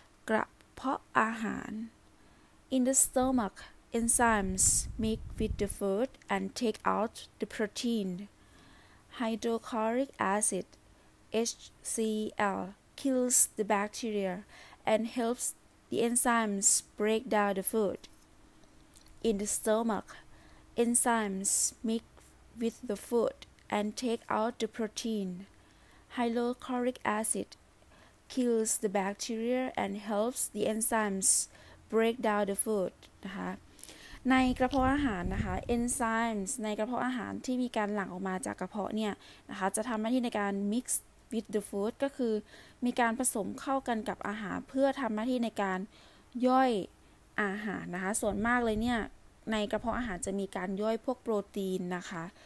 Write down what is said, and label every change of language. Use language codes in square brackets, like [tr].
[en] กระเพาะอาหาร in the stomach enzymes mix with the food and take out the protein hydrochloric acid HCl kills the bacteria and helps the enzymes break down the food in the stomach enzymes mix with the foodand take out the protein. Hydrochloric acid kills the bacteria and helps the enzymes break down the food. [th] นะคะในกระเพาะอาหารนะคะ enzymes ในกระเพาะอาหารที่มีการหลั่งออกมาจากกระเพาะเนี่ยนะคะจะทำหน้าที่ในการ [en] mix with the food [th] ก็คือมีการผสมเข้ากันกับอาหารเพื่อทำหน้าที่ในการย่อยอาหารนะคะส่วนมากเลยเนี่ยในกระเพาะอาหารจะมีการย่อยพวกโปรตีนนะคะ